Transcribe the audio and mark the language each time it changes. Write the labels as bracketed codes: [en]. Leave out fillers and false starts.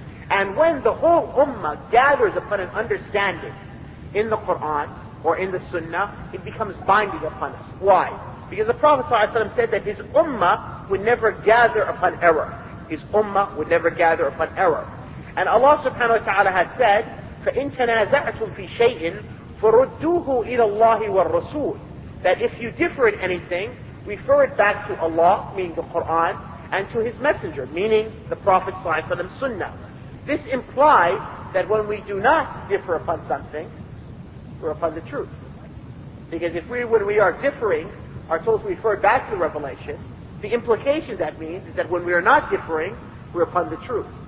[en] And when the whole Ummah gathers upon an understanding in the Qur'an or in the Sunnah, it becomes binding upon us. Why? Because the Prophet ﷺ said that his Ummah would never gather upon error. His Ummah would never gather upon error. And Allah subhanahu wa ta'ala has said, [ar] فَإِن تَنَازَعْتُمْ فِي شَيْءٍ فَرُدُّوهُ إِلَى اللَّهِ وَالرَّسُولِ. [en] That if you differ in anything, refer it back to Allah, meaning the Qur'an, and to his messenger, meaning the Prophet ﷺ's Sunnah. This implies that when we do not differ upon something, we're upon the truth. Because if when we are differing, are told to refer back to the revelation, the implication that means is that when we are not differing, we're upon the truth.